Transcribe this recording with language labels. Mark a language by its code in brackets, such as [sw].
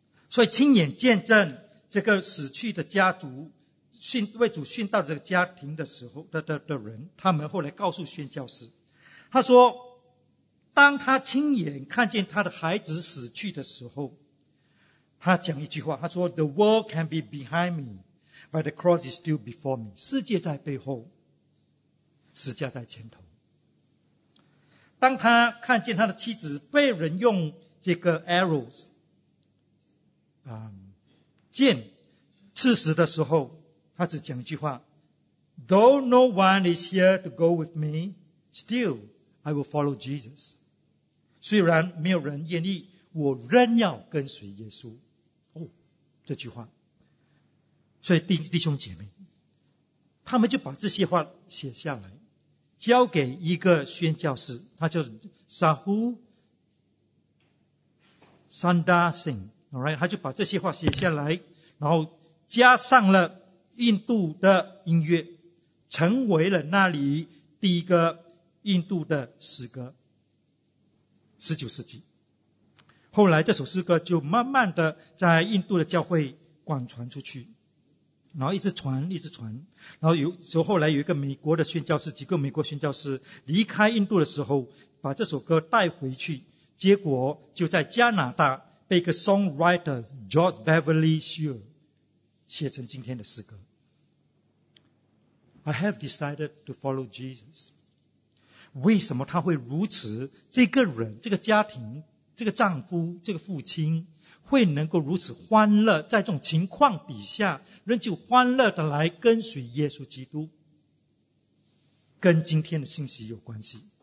[zh] 所以亲眼见证这个死去的家族殉为主殉道这个家庭的时候 的人，他们后来告诉宣教师，他说当他亲眼看见他的孩子死去的时候，他讲一句话，他说 [en] The world can be behind me, but the cross is still before me. [zh] 世界在背后，十字架在前头。当他看见他的妻子被人用这个 arrows, 剑刺死的时候，他只讲一句话 [en] Though no one is here to go with me, still I will follow Jesus. [zh] 虽然没有人愿意，我仍要跟随耶稣。哦，这句话。所以 弟兄姐妹，他们就把这些话写下来，交给一个宣教士，他叫 Sahu Sundar Singh, alright, 他就把这些话写下来，然后加上了印度的音乐，成为了那里第一个印度的诗歌。19世纪。后来这首诗歌就慢慢的在印度的教会广传出去。然后一直传一直传，然后有后来有一个美国的宣教士，几个美国宣教士离开印度的时候把这首歌带回去，结果就在加拿大被一个 songwriter George Beverly Shear 写成今天的诗歌。 [en] I have decided to follow Jesus. [zh] 为什么他会如此，这个人这个家庭这个丈夫这个父亲会能够如此欢乐，在这种情况底下仍旧欢乐的来跟随耶稣基督，跟今天的信息有关系。